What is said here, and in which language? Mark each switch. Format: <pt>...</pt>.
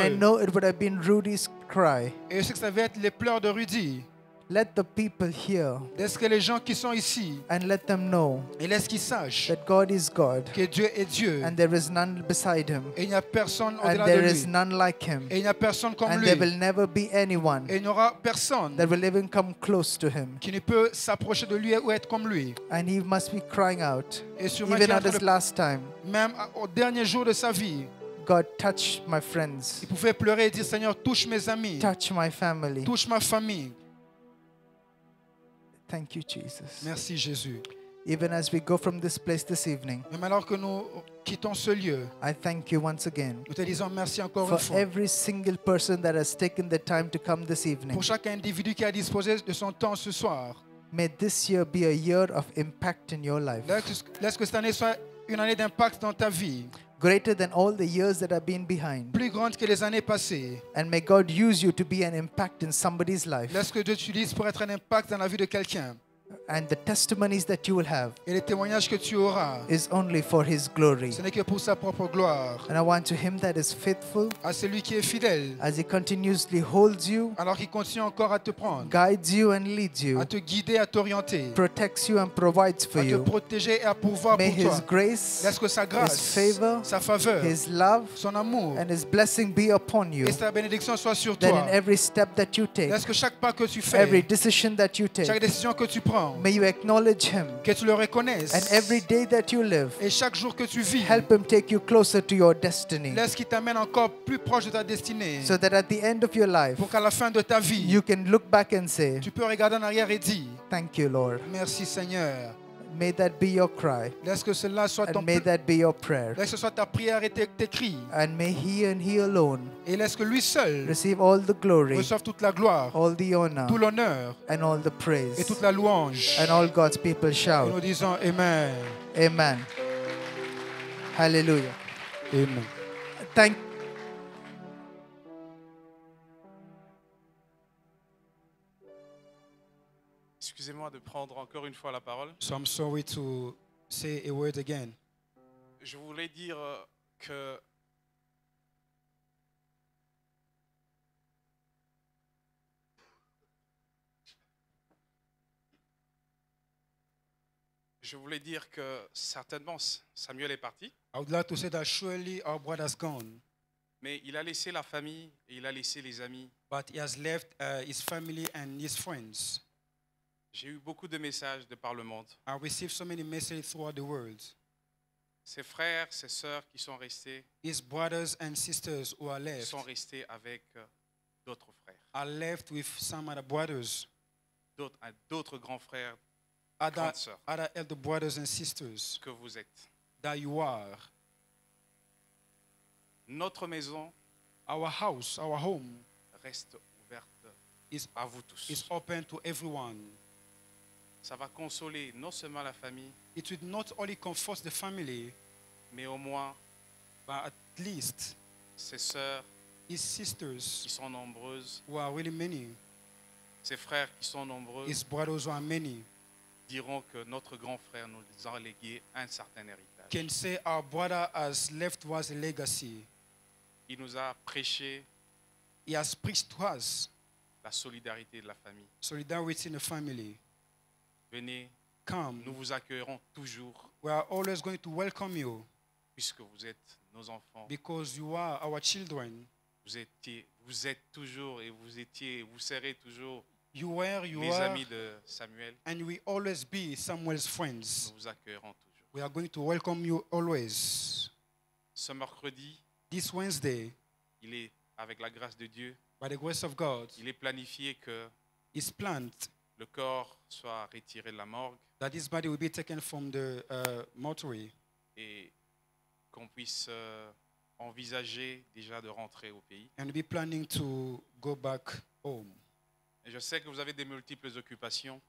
<en>And I know it would have been Rudy's cry.</en> <fr>Et je sais que ça va être les pleurs de Rudy.</fr> <en>Let the people hear.</en> <fr>Laisse que les gens qui sont ici.</fr> <en>And let them know.</en> <fr>Et laisse qu'ils sachent.</fr> <en>That God is God.</en> <fr>Que Dieu est Dieu.</fr> <en>And there is none beside Him.</en> <fr>Et il n'y a personne au-delà de lui.</fr> <en>And there is none like Him.</en> <fr>Et il n'y a personne comme</fr> <en>and</en> <fr>lui.</fr> <en>And there will never be anyone.</en> <fr>Et il n'y aura personne.</fr> <en>That will even come close to Him.</en> <fr>Qui ne peut s'approcher de lui ou être comme lui.</fr> <en>And He must be crying out.</en> <fr>Et sûrement</fr> <en>even at this last time.</en> <fr>Même au dernier jour de sa vie.</fr> <en>God touch my friends.</en> <fr>Il pouvait pleurer et dire Seigneur touche mes amis.</fr> <en>Touch my family.</en> <fr>Touche ma famille.</fr> <en>Thank you, Jesus.</en> <fr>Merci, Jésus.</fr> <en>Even as we go from this place this evening,</en> <fr>même alors que nous quittons ce lieu,</fr> <en>I thank you once again.</en> <fr>Nous te disons merci encore</fr> <en>for</en> <fr>une fois.</fr> <en>For every single person that has taken the time to come this evening,</en> <fr>pour chaque individu qui a disposé de son temps ce soir,</fr> <en>may this year be a year of impact in your life.</en> <fr>Laisse que cette année soit une année d'impact dans ta vie.</fr> <en>Greater than all the years that have been behind.</en> <fr>Plus grande que les années passées.</fr> <en>And may God use you to be an impact in somebody's life.</en> <fr>Laisse que Dieu t'utilise pour être un impact dans la vie de quelqu'un.</fr> <en>And the testimonies that you will have</en> <fr>et les témoignages que tu auras</fr> <en>is only for his glory.</en> <fr>Ce n'est que pour sa propre gloire.</fr> <en>And I want to him that is faithful</en> <fr>à celui qui est fidèle</fr> <en>as he continuously holds you</en> <fr>alors qu'il continue encore à te prendre</fr> <en>guides you and leads you</en> <fr>à te guider à t'orienter</fr> <en>protects you and provides for you</en> <fr>à te protéger et à pourvoir</fr> <en>may</en> <fr>pour</fr> <en>his</en> <fr>toi.</fr> <en>Grace</en> <fr>laisse que sa grâce</fr> <en>his favor</en> <fr>sa faveur</fr> <en>his love</en> <fr>son amour</fr> <en>and his blessing be upon you</en> <fr>et sa bénédiction soit sur</fr> <en>that</en> <fr>toi</fr> <en>in every step that you take</en> <fr>laisse que chaque pas que tu fais</fr> <en>every decision that you take</en> <fr>chaque décision que tu prends</fr> <en>May you acknowledge him.</en> <fr>Que tu le reconnaisses.</fr> <en>And every day that you live.</en> <fr>Et chaque jour que tu vis.</fr> <en>Help him take you closer to your destiny.</en> <fr>Laisse qu'il t'amène encore plus proche de ta destinée.</fr> <en>So that at the end of your life.</en> <fr>Pour qu'à la fin de ta vie.</fr> <en>You can look back and say.</en> <fr>Tu peux regarder en arrière et dire.</fr> <en>Thank you, Lord.</en> <fr>Merci, Seigneur.</fr> <en>May that be your cry.</en> <fr>Laisse que cela soit</fr> <en>and</en> <fr>ton.</fr> <en>And may that be your prayer.</en> <fr>Laisse que ce soit ta prière et tes cris.</fr> <en>And may he and he alone.</en> <fr>Et laisse que lui seul.</fr> <en>Receive all the glory.</en> <fr>Reçoive toute la gloire.</fr> <en>All the honor.</en> <fr>Tout l'honneur.</fr> <en>And all the praise.</en> <fr>Et toute la louange.</fr> <en>And all God's people shout.</en> <fr>Et nous disons amen. Amen. Hallelujah. Amen.</fr> <en>Thank.</en> <fr>Excusez-moi de prendre encore une fois la parole.</fr> <en>So I'm sorry to say a word again.</en> <fr>Je voulais dire que certainement Samuel est parti.</fr> <en>I would like to say that surely our brother has gone.</en> <fr>Mais il a laissé la famille et il a laissé les amis.</fr> <en>But he has left his family and his friends.</en> <fr>J'ai eu beaucoup de messages de par le monde.</fr> <en>I received so many messages throughout the world.</en> <fr>Ses frères, ses sœurs qui sont restés.</fr> <en>His brothers and sisters who are left.</en> <fr>Sont restés avec d'autres frères.</fr> <en>Are left with some other brothers.</en> <fr>D'autres grands frères, grandes sœurs.</fr> <en>Other elder brothers and sisters.</en> <fr>Que vous êtes.</fr> <en>That you are.</en> <fr>Notre maison.</fr> <en>Our house, our home.</en> <fr>Reste ouverte à vous tous.</fr> <en>Is open to everyone.</en> <fr>Ça va consoler non seulement la famille,</fr> <en>it would not only comfort the family,</en> <fr>mais au moins,</fr> <en>but at least,</en> <fr>ses sœurs,</fr> <en>his sisters,</en> <fr>qui sont nombreuses,</fr> <en>who are really many,</en> <fr>ses frères qui sont nombreux,</fr> <en>his brothers who are many,</en> <fr>diront que notre grand frère nous a légué un certain héritage.</fr> <en>Can say our brother has left us a legacy.</en> <fr>Il nous a prêché,</fr> <en>he has preached to us,</en> <fr>la solidarité de la famille,</fr> <en>solidarity in the family.</en> <fr>Venez,</fr> <en>come.</en> <fr>Nous vous accueillerons toujours.</fr> <en>We are always going to welcome you,</en> <fr>puisque vous êtes nos enfants.</fr> <en>Because you are our children.</en> <fr>Vous êtes toujours et vous étiez, vous serez toujours.</fr> <en>You were, you</en> <fr>les</fr> <en>are,</en> <fr>amis de Samuel.</fr> <en>And we always be Samuel's friends.</en> <fr>Nous vous accueillerons toujours.</fr> <en>We are going to welcome you always.</en> <fr>Ce mercredi,</fr> <en>this Wednesday,</en> <fr>il est avec la grâce de Dieu.</fr> <en>By the grace of God,</en> <fr>il est planifié que.</fr> <en>Is planned.</en> <fr>Le corps soit retiré de la morgue.</fr> <en>That his body will be taken from the mortuary.</en> <fr>Et qu'on puisse envisager déjà de rentrer au pays.</fr> <en>And be planning to go back home.</en> <fr>Et je sais que vous avez des multiples occupations.</fr>